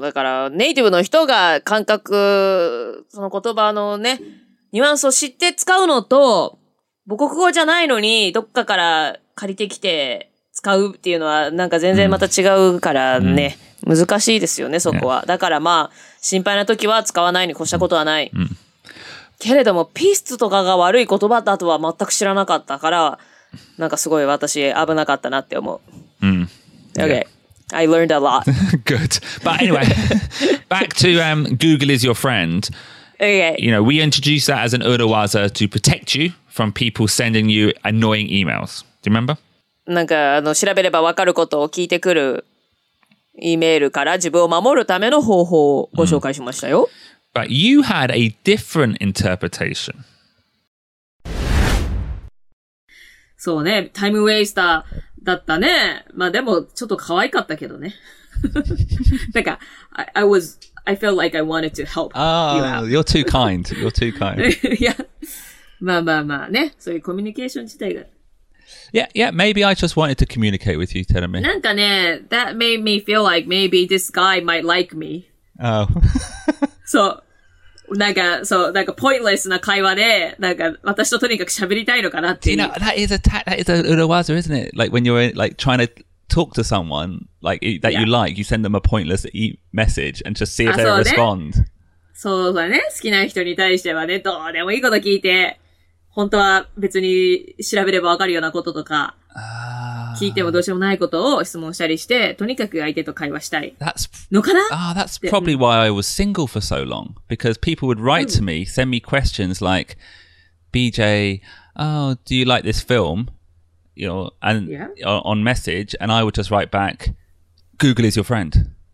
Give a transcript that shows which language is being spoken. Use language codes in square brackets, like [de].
[ja] だからネイティブの人が感覚、その言葉のね、ニュアンスを知って使うのと、母国語じゃないのにどっかから借りてきて使うっていうのはなんか全然また違うからね、難しいですよね、そこは。だからまあ、心配な時は使わないに越したことはない。けれども、ピースとかが悪い言葉だとは全く知らなかったから、なんかすごい私危なかったなって思う。 [en] Okay. I learned a lot. Good. But anyway, back to Google is your friend. Okay. We introduced that as an urawaza to protect you from people sending you annoying emails. Do you remember? [ja] なんか調べればわかることを聞いてくるイメールから自分を守るための方法をご紹介しましたよ。 [en] But you had a different interpretation. [ja] そうね、タイムウェイスターだったね。まあでもちょっと可愛かったけどね。 [en] なんか I felt like I wanted to help you out. You're too kind. You're too kind. Yeah. [ja] まあまあまあね、そういうコミュニケーション自体が。 [en] Yeah. Maybe I just wanted to communicate with you, Terumi. [ja] なんかね、 [en] that made me feel like maybe this guy might like me. Oh. [ja] So. なんか、そう、なんか、pointless な会話で、なんか、私ととにかく喋りたいのかなっていう。 [en] You know, that is a urawaza, isn't it? Like, when you're, like, trying to talk to someone, like, that you like, you send them a pointless message and just see if they respond. [ja] そうだね。好きな人に対してはね、どうでもいいこと聞いて、本当は別に調べればわかるようなこととか、聞いてもどうしようもないことを質問したりして、とにかく相手と会話したいのかな? [en] That's probably why I was single for so long. Because people would write to me, send me questions like, BJ, do you like this film? On message, and I would just write back, Google is your friend.